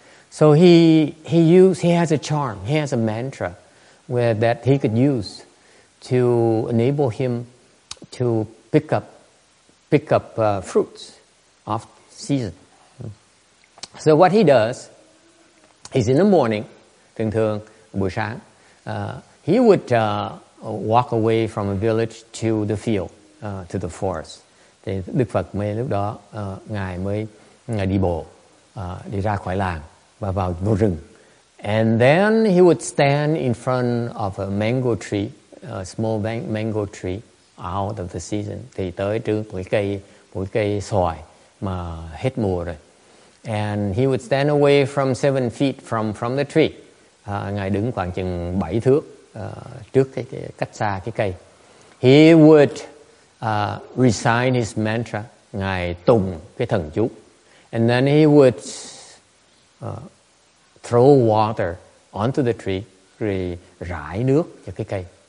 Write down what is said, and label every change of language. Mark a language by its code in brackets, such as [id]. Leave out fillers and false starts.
[en] So he has a charm, he has a mantra where that he could use to enable him to pick up fruits off season. So what he does is in the morning, [vi] thường thường buổi sáng, [en] he would walk away from a village to the field, to the forest. [vi] Thì Đức Phật mới lúc đó ngài mới ngài đi bộ đi ra khỏi làng và vào vô rừng. [en] And then he would stand in front of a mango tree, a small mango tree out of the season. [vi] Thì tới trước một cây xoài mà hết mùa rồi. [en] And he would stand away from 7 feet from the tree. [vi] Ngài đứng khoảng chừng 7 thước trước cái cách xa cái cây. [en] He would recite his mantra, [vi] ngài tụng cái thần chú. [en] And then he would throw water onto the tree, [vi] rồi rải nước cho cái cây.